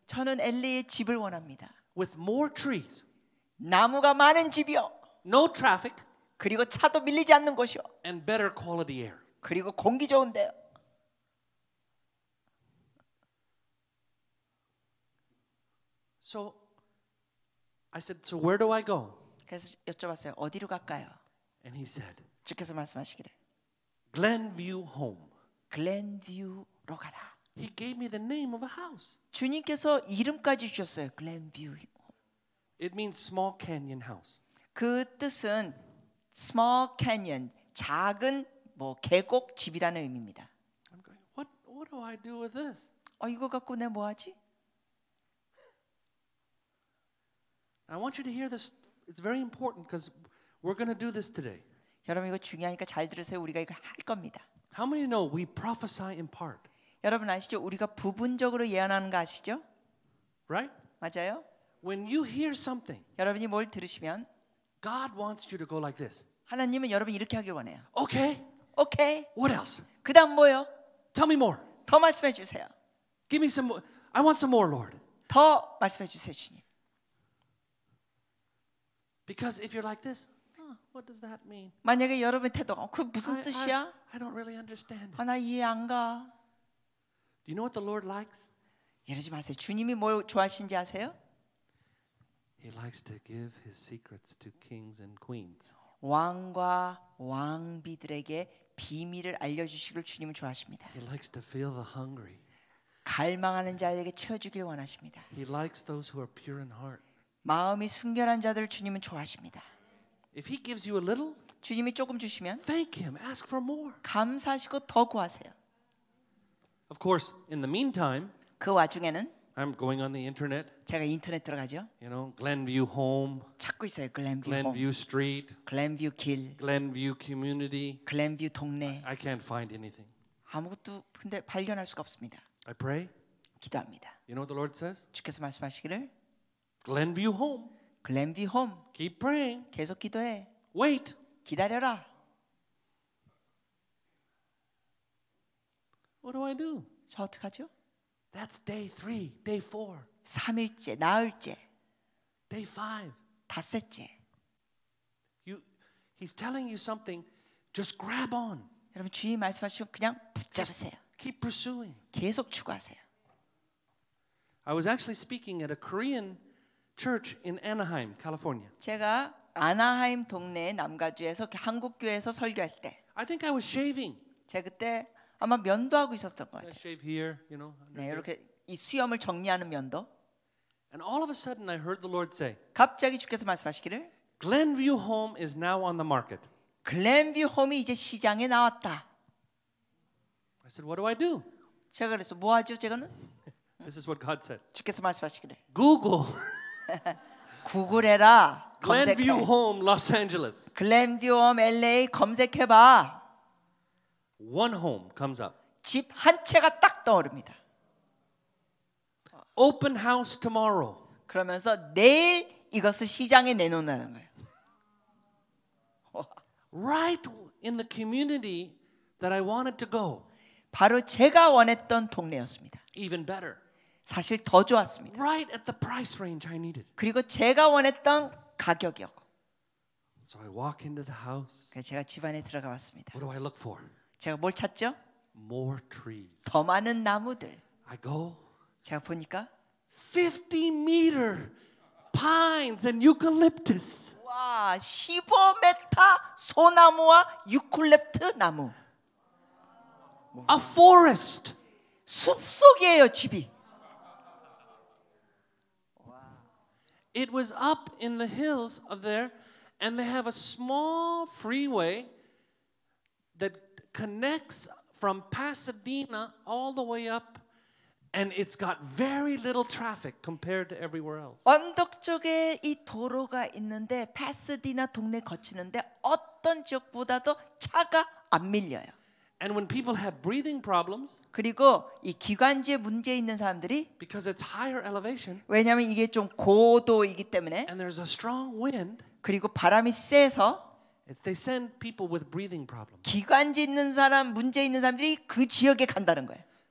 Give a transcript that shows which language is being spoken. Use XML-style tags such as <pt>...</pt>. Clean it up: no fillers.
<ko>저는 LA에 집을 원합니다.</ko> <en>With more trees.</en> <ko>나무가 많은 집이요.</ko> <en>No traffic.</en> <ko>그리고 차도 밀리지 않는 곳이요.</ko> <en>And better quality air.</en> <ko>그리고 공기 좋은데요.</ko> <en>So I said, "So where do I go?"</en> <ko>그래서 여쭤봤어요. 어디로 갈까요?</ko> <en>And he said,</en> <ko>주께서 말씀하시기를,</ko> <en>"Glenview Home."</en> <ko>Glenview로 가라.</ko> <en>He gave me the name of a house.</en> <ko>주님께서 이름까지 주셨어요.</ko> <en>Glenview. It means small canyon house.</en> <ko>그 뜻은</ko> <en>small canyon,</en> <ko>작은 뭐 계곡 집이라는 의미입니다.</ko> <en>I'm going. What do I do with this?</en> <ko>이거 갖고 내가 뭐 하지?</ko> <en>I want you to hear this. It's very important because we're going to do this today.</en> <ko>여러분 이거 중요하니까 잘 들으세요. 우리가 이걸 할 겁니다.</ko> <en>How many know we prophesy in part?</en> <ko>여러분 아시죠? 우리가 부분적으로 예언하는 거 아시죠?</ko> <en>Right?</en> <ko>맞아요?</ko> <en>When you hear something,</en> <ko>여러분이 뭘 들으시면</ko> <en>God wants you to go like this.</en> <ko>하나님은 여러분 이렇게 하길 원해요.</ko> <en>Okay. Okay. What else?</en> <ko>그다음 뭐요?</ko> <en>Tell me more.</en> <ko>더 말씀해 주세요.</ko> <en>Give me some more. I want some more, Lord.</en> <ko>더 말씀해 주세요, 주님.</ko> <en>Because if you're like this, what does that mean?</en> <ko>만약에 여러분의 태도가 그 무슨 뜻이야?</ko> <en>I don't really understand.</en> <ko>나 이해 안 가.</ko> <en>Do you know what the Lord likes?</en> <ko>이러지 마세요. 주님이 뭘 좋아하시는지 아세요?</ko> <en>He likes to give his secrets to kings and queens.</en> <ko>왕과 왕비들에게 비밀을 알려주시기를 주님은 좋아하십니다.</ko> <en>He likes to fill the hungry.</en> <ko>갈망하는 자에게 채워주길 원하십니다.</ko> <en>He likes those who are pure in heart.</en> <ko>마음이 순결한 자들을 주님은 좋아하십니다.</ko> <en>If he gives you a little,</en> <ko>주님이 조금 주시면,</ko> <en>thank him, ask for more.</en> <ko>감사하시고 더 구하세요.</ko> <en>Of course, in the meantime,</en> <ko>그 와중에는,</ko> <en>I'm going on the internet.</en> <ko>제가 인터넷 들어가죠.</ko> <en>You know, Glenview Home.</en> <ko>찾고 있어요, Glenview.</ko> <en>Glenview home. Street.</en> <ko>Glenview 길.</ko> <en>Glenview Community.</en> <ko>Glenview 동네.</ko> <en>I can't find anything.</en> <ko>아무것도 근데 발견할 수가 없습니다.</ko> <en>I pray.</en> <ko>기도합니다.</ko> <en>You know what the Lord says?</en> <ko>주께서 말씀하시기를.</ko> <en>Glenview Home. Glenview Home. Keep praying.</en> <ko>계속 기도해.</ko> <en>Wait.</en> <ko>기다려라.</ko> <en>What do I do?</en> <ko>저 어떻게 하죠?</ko> <en>That's day 3, day 4.</en> <ko>3일째, 나흘째.</ko> <en>Day 5.</en> <ko>닷새째.</ko> <en>He's telling you something. Just grab on.</en> <ko>여러분 주의 말씀하시면 그냥 붙잡으세요.</ko> <en>Keep pursuing.</en> <ko>계속 추구하세요.</ko> <en>I was actually speaking at a Korean church in Anaheim, California.</en> <ko>제가 아나하임 동네 남가주에서 한국 교회에서 설교할 때.</ko> <en>I think I was shaving.</en> <ko>제가 그때 아마 면도 하고 있었던 것 같아요.</ko> <en>Shave here, you know.</en> <ko>네, 이렇게 이 수염을 정리하는 면도.</ko> <en>And all of a sudden, I heard the Lord say.</en> <ko>갑자기 주께서 말씀하시기를.</ko> <en>Glenview Home is now on the market.</en> <ko>Glenview Home이 이제 시장에 나왔다.</ko> <en>I said, What do I do?</en> <ko>제가 그래서 뭐 하죠, 제가는?</ko> <en>This is what God said.</en> <ko>주께서 말씀하시기를.</ko> <en>Google.</en> <ko>구글해라.</ko> <en>Glenview Home, Los Angeles.</en> <ko>Glenview Home, LA 검색해봐.</ko> <en>One home comes up.</en> <ko>집 한 채가 딱 떠오릅니다.</ko> <en>Open house tomorrow.</en> <ko>그러면서 내일 이것을 시장에 내놓는다는 거예요.</ko> <en>Right in the community that I wanted to go.</en> <ko>바로 제가 원했던 동네였습니다.</ko> <en>Even better.</en> <ko>사실 더 좋았습니다.</ko> <en>Right at the price range I needed.</en> <ko>그리고 제가 원했던 가격이었고.</ko> <en>So I walk into the house.</en> <ko>그래서 제가 집 안에 들어가 봤습니다.</ko> <en>What do I look for?</en> <ko>제가 뭘 찾죠?</ko> <en>More trees.</en> <ko>더 많은 나무들.</ko> <en>I go.</en> <ko>제가 보니까</ko> <en>50m pines and eucalyptus.</en> <ko>와, 15m 소나무와 유클립트 나무.</ko> <en>A forest.</en> <ko>숲속이에요, 집이.</ko> <en>It was up in the hills of there and they have a small freeway that connects from Pasadena all the way up and it's got very little traffic compared to everywhere else.</en> <ko>언덕 쪽에 이 도로가 있는데 파사디나 동네 거치는데 어떤 지역보다도 차가 안 밀려요.</ko> <en>And when people have breathing problems,</en> <ko>그리고 이 기관지에 문제 있는 사람들이</ko> <en>because it's higher elevation,</en> <ko>왜냐면 이게 좀 고도이기 때문에</ko> <en>and there's a strong wind,</en> <ko>그리고 바람이 세서</ko> <en>It's they send people with breathing problems.</en> <ko>기관지 있는 사람, 문제 있는 사람들이 그 지역에 간다는 거예요.</ko>